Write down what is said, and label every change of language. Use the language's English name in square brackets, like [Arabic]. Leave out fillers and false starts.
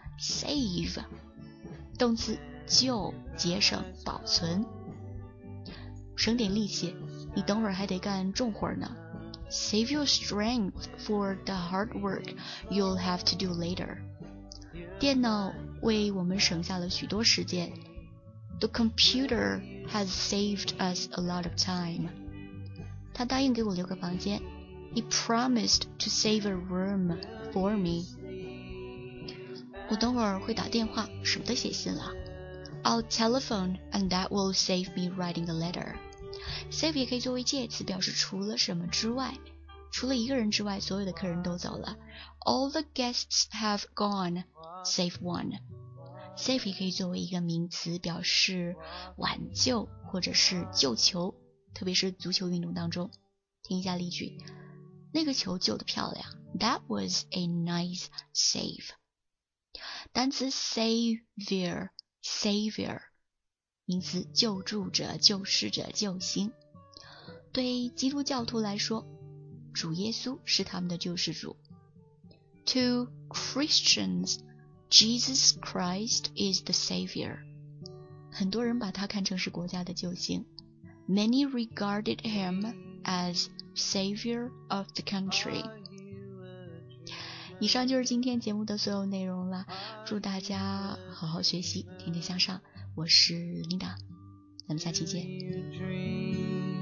[Chinese] Save, 动词救、节省、保存。省点力气，你等会儿还得干重活呢。 [English] Save your strength for the hard work you'll have to do later. [Chinese] 电脑为我们省下了许多时间。 [English] The computer has saved us a lot of time. [Chinese] 他答应给我留个房间。 [English] He promised to save a room for me. [Chinese] 我等会儿会打电话，省得写信了。 [English] I'll telephone and that will save me writing a letter. [Chinese] Save 也可以作为介词，表示除了什么之外，除了一个人之外，所有的客人都走了。 [English] All the guests have gone, save one. [Chinese] Save 也可以作为一个名词，表示挽救或者是救球，特别是足球运动当中。听一下例句，那个球救得漂亮。 [English] That was a nice save. 单词 savior. [Chinese] 名词救助者、救世者、救星。对基督教徒来说，主耶稣是他们的救世主。 [English] To Christians, Jesus Christ is the Savior. [Chinese] 很多人把他看成是国家的救星。 [English] Many regarded him as Savior of the country. [Chinese] 以上就是今天节目的所有内容了，祝大家好好学习，天天向上，我是 Linda， 咱们下期见。